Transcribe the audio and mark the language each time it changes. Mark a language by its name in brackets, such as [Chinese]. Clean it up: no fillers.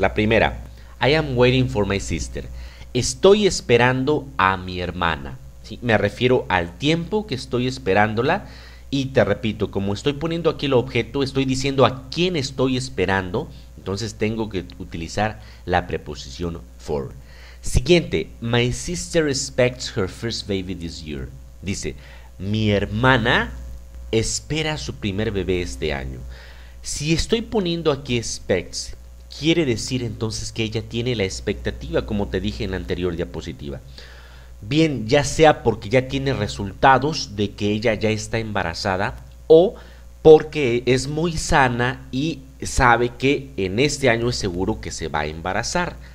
[Spanish] La primera, [English] I am waiting for my sister. [Spanish] Estoy esperando a mi hermana. ¿Sí? Me refiero al tiempo que estoy esperándola. Y te repito, como estoy poniendo aquí el objeto, estoy diciendo a quién estoy esperando. Entonces tengo que utilizar la preposición for. [English] Siguiente, my sister expects her first baby this year. [Spanish] Dice, mi hermana espera su primer bebé este año. Si estoy poniendo aquí expects, quiere decir entonces que ella tiene la expectativa, como te dije en la anterior diapositiva. Bien, ya sea porque ya tiene resultados de que ella ya está embarazada o porque es muy sana y sabe que en este año es seguro que se va a embarazar.